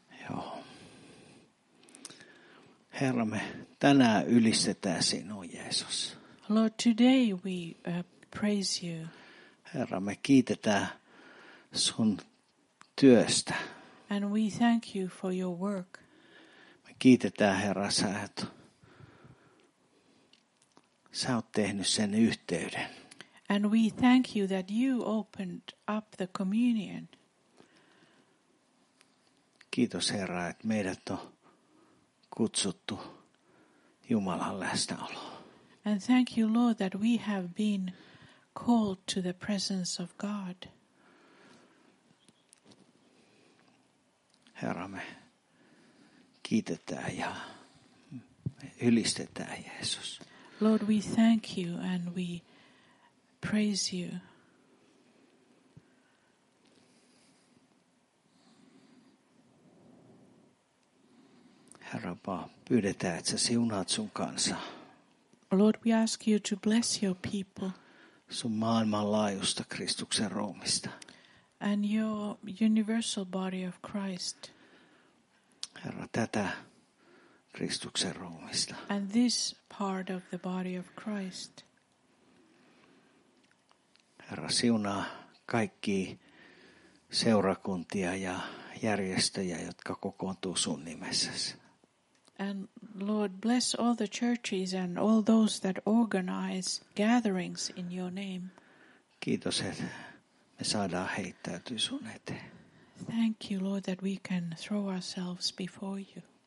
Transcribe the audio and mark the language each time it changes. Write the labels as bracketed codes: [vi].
[fi] Joo. Herra, me tänään ylistetään sinua, Jeesus. [en] Lord, today we praise you. [fi] Herra, me kiitetään sun työstä. [en] And we thank you for your work. [fi] Me kiitetään, Herra, sä oot tehnyt sen yhteyden. [en] And we thank you that you opened up the communion. [fi] Kiitos, Herra, että meidät on kutsuttu Jumalan läsnäoloon. [en] And thank you, Lord, that we have been called to the presence of God. [fi] Herra, me kiitetään ja me ylistetään, Jeesus. [en] Lord, we thank you and we praise you. [fi] Herra, pyydetään, että sä siunaat sun kansa. [en] Lord, we ask you to bless your people. [fi] Sun maailmanlaajuista Kristuksen ruumista. [en] And your universal body of Christ. [fi] Herra, tätä Kristuksen ruumista. [en] And this part of the body of Christ. [fi] Herra, siunaa kaikki seurakuntia ja järjestöjä, jotka kokoontuu sun nimessäsi. [en] And Lord, bless all the churches and all those that organize gatherings in your name. [fi] Kiitos, että me saadaan heittäytyä sun eteen. [en] Thank you, Lord, that we can throw ourselves before you.